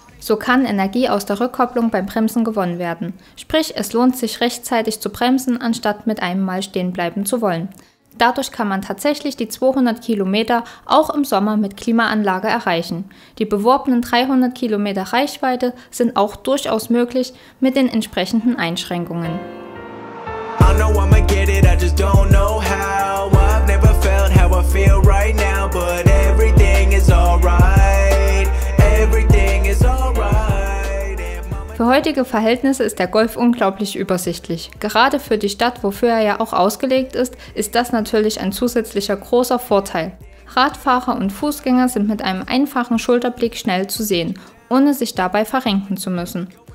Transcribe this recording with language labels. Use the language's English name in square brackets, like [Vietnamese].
[German] So kann Energie aus der Rückkopplung beim Bremsen gewonnen werden. Sprich, es lohnt sich rechtzeitig zu bremsen, anstatt mit einem Mal stehen bleiben zu wollen. Dadurch kann man tatsächlich die 200 Kilometer auch im Sommer mit Klimaanlage erreichen. Die beworbenen 300 Kilometer Reichweite sind auch durchaus möglich mit den entsprechenden Einschränkungen. [English] I know I'ma get it, I just don't know how. I've never felt how I feel right now, but everything is alright. Everything is alright. [German] Für heutige Verhältnisse ist der Golf unglaublich übersichtlich. Gerade für die Stadt, wofür er ja auch ausgelegt ist, ist das natürlich ein zusätzlicher großer Vorteil. Radfahrer und Fußgänger sind mit einem einfachen Schulterblick schnell zu sehen, ohne sich dabei verrenken zu müssen.